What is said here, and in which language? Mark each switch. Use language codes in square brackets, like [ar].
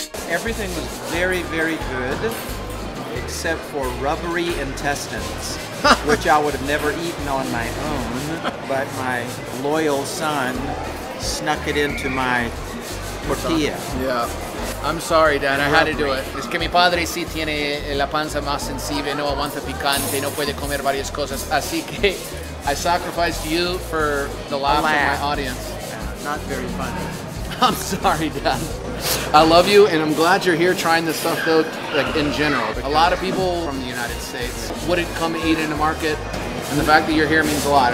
[en] Everything was very, very good, except for rubbery intestines, which I would have never eaten on my own, but my loyal son snuck it into my tortilla. Yeah. I'm sorry, Dan. And I had to do it. [es] Es que mi padre sí tiene la panza más sensible, no aguanta picante, no puede comer varias cosas. Así que [en] I sacrificed you for the laugh of my audience. Not very funny. I'm sorry, Dan. I love you, and I'm glad you're here trying this stuff, though, like in general. A lot of people from the United States wouldn't come eat in the market, and the fact that you're here means a lot.